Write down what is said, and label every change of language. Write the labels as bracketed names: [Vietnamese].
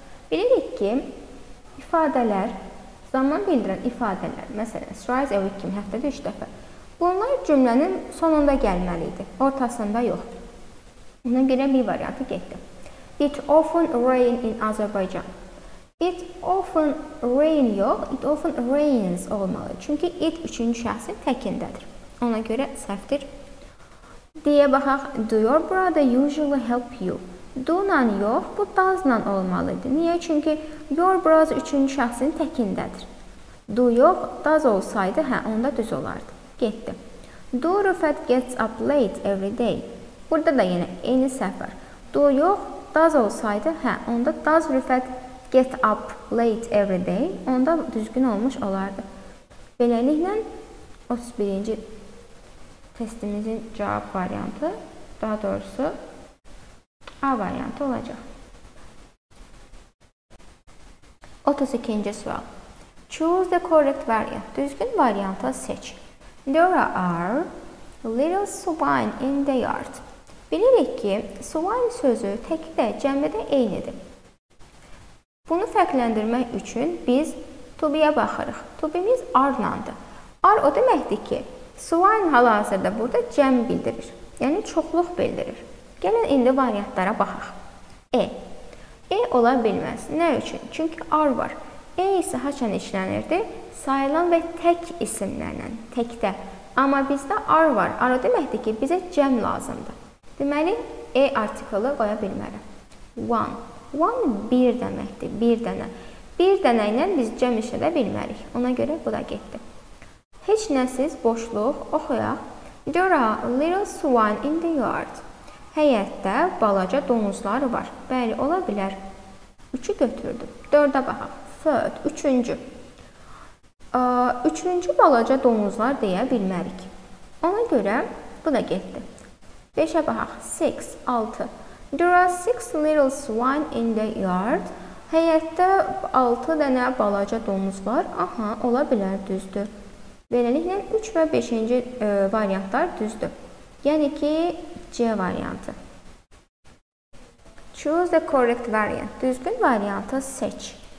[Azerbaijani] Bilirik ki, ifadələr, zaman bildirən ifadələr, məsələn, twice a week kimi həftədə 3 dəfə, bunlar cümlənin sonunda gəlməli idi, ortasında yox. Ona görə bir variantı getdi. [English] It often rain in Azerbaijan. It often rain [Azerbaijani] yox, [English] it often rains [Azerbaijani] olmalı. Çünki it üçüncü şəxsin təkindədir. Ona görə səhvdir. Deyə baxaq, [English] do your brother usually help you? [Azerbaijani] Do-la yox, bu does-la olmalıydı. Niyə? Çünki your brother üçüncü şəxsin təkindədir. Do yox, does olsaydı, hə, onda düz olardı. Getdi. [English] Do Rüfət gets up late every day? [Azerbaijani] Burada da yenə eyni səhvər. Do yox, does olsaydı, hə, onda [English] does Rüfət get up late every day? [Azerbaijani] Onda düzgün olmuş olardı. Beləliklə, 31-ci testimizin cavab variantı, daha doğrusu, A variantı olacaq. 32-ci sual. [English] Choose the correct variant. [Azerbaijani] Düzgün variantı seç. [English] There are little swine in the yard. [Azerbaijani] Bilirik ki, swine sözü tək də cəmlədə eynidir. Bunu fərqləndirmək üçün biz tubiyə baxırıq. Tubimiz R-landır. R o deməkdir ki, swine hal-hazırda burada cəm bildirir. Yəni, çoxluq bildirir. Gəlin, indi variantlara baxaq. E. E ola bilməz. Nə üçün? Çünki R var. E isə haçan işlənirdi? Sayılan və tək isimlərlə, təkdə. Amma bizdə R var. R o deməkdir ki, bizə cəm lazımdır. Deməli, E artikulu qoya bilmərəm. One. One bir deməkdir, bir dənə. Bir dənə ilə biz cəm işlədə bilmərik. Ona görə bu da getdi. Heç nəsiz boşluq oxuyaq. [English] There are little swine in the yard. [Azerbaijani] Həyətdə balaca donuzlar var. Bəli, ola bilər. Üçü götürdüm. Dördə baxaq. [English] Third, [Azerbaijani] üçüncü. Üçüncü balaca donuzlar deyə bilmərik. Ona görə bu da getdi. Beşə baxaq. Six, altı. [English] There are six little swine in the yard. [Azerbaijani] Həyətdə altı dənə balaca donuz var. Aha, ola bilər, düzdür. Beləliklə, üç və beşinci variantlar düzdür. Yəni ki, C variantı. [English] Choose the correct variant. [Azerbaijani] Düzgün variantı seç.